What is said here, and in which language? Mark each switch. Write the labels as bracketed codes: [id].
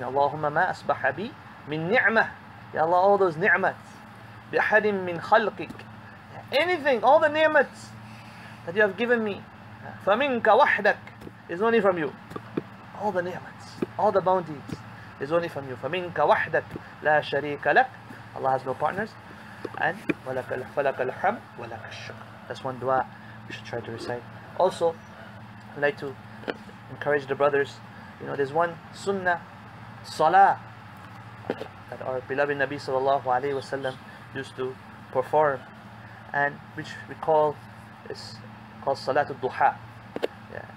[ar] Allahumma ma asbaha bi min ni'mah. [en] Ya Allah, all those ni'mats [ar] bi ahadin min khalqik, [en] anything, all the ni'mats that you have given me, [ar] فَمِنْكَ وَحْدَكَ [en] is only from you. All the ni'mats, all the bounties is only from you. [ar] فَمِنْكَ وَحْدَكَ لَا شَرِيكَ لَكَ, [en] Allah has no partners. [ar] And وَلَكَ الْحَمْدُ وَلَكَ الشُّكْرُ. [en] That's one dua we should try to recite. Also, I'd like to encourage the brothers, you know, there's one sunnah, salah, that our beloved Nabi sallallahu alayhi wa sallam used to perform, and which we call is called Salatul Duha. Yeah.